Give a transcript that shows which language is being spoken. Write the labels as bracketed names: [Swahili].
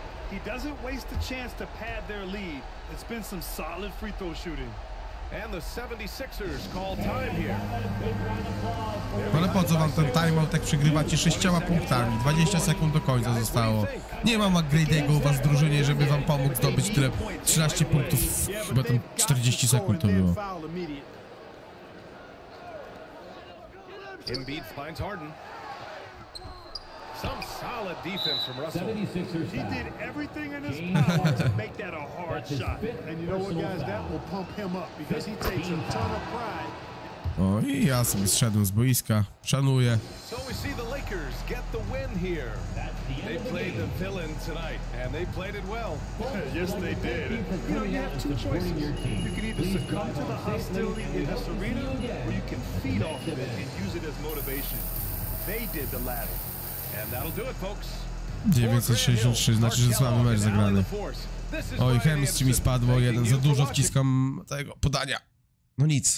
[English] He doesn't waste the chance to pad their lead. It's been some solid free throw shooting. And the 76ers call time here. [Polish] Ale po co wam ten timeout, jak przegrywacie 6 punktami? 20 sekund do końca zostało. Nie mam McGrady'ego u was w drużynie, żeby wam pomóc zdobyć tyle 13 punktów. Chyba tam 40 sekund to było. [English] Embiid finds Harden. Some solid defense from Russell. 76ers. He did everything in his power to make that a hard shot. And you know what, guys? That will pump him up because he takes a ton of pride. [Polish] O, i ja sobie zszedłem z boiska. Szanuję. [English] So we see the Lakers get the win here. They played the villain tonight, and they played it well. Yes, they did. You know, you have two choices. You can either succumb to the hostility in this arena, or you can feed off of it and use it as motivation. They did the latter. And that'll do it, folks. [Polish] 963, znaczy, że słaby mecz zagrany. Oj, chemistry mi spadło, jeden za dużo wciskam tego podania. No nic.